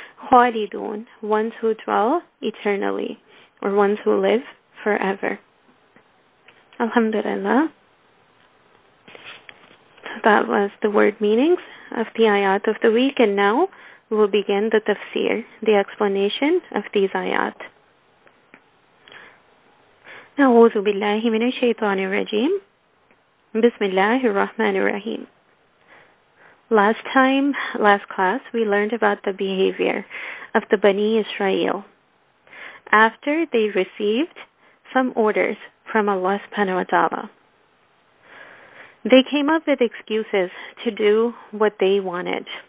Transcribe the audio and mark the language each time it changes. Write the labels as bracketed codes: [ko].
[en] Khalidun, ones who dwell eternally, or ones who live forever. Alhamdulillah. So that was the word meanings of the ayat of the week, and now we'll begin the tafsir, the explanation of these ayat. [ar] أعوذ بالله من الشيطان الرجيم بسم الله الرحمن الرحيم. [en] Last time, last class, we learned about the behavior of the Bani Israel after they received some orders from Allah subhanahu wa ta'ala. They came up with excuses to do what they wanted.